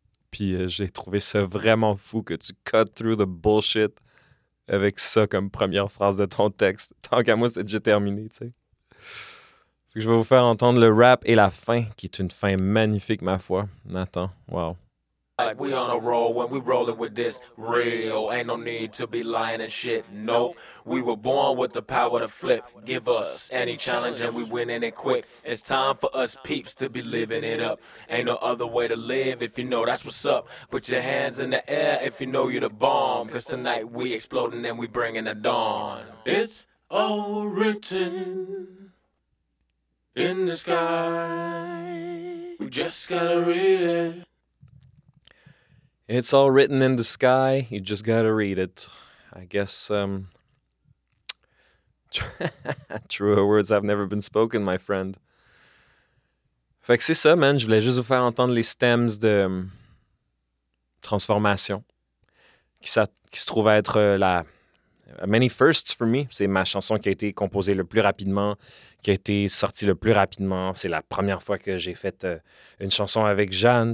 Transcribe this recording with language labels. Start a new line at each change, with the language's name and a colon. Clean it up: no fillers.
French: Puis j'ai trouvé ça vraiment fou que tu
English: cut through the bullshit
French: avec ça comme première phrase de ton texte. Tant qu'à moi, c'était déjà terminé, tu sais. Fait que je vais vous faire entendre le rap et la fin, qui est une fin magnifique, ma foi. Nathan, wow.
English: Like we on a roll when we rolling with this real. Ain't no need to be lying and shit, nope. We were born with the power to flip. Give us any challenge and we winning it quick. It's time for us peeps to be living it up. Ain't no other way to live if you know that's what's up. Put your hands in the air if you know you're the bomb. Cause tonight we exploding and we bringing the dawn. It's all written in the sky. We just gotta read it. It's all written in the sky, you just gotta read it. I guess, truer words have never been spoken, my friend.
French: Fait que c'est ça, man, je voulais juste vous faire entendre les stems de transformation, qui se trouve à être la
English: many firsts for me.
French: C'est ma chanson qui a été composée le plus rapidement, qui a été sortie le plus rapidement. C'est la première fois que j'ai fait une chanson avec Jeanne.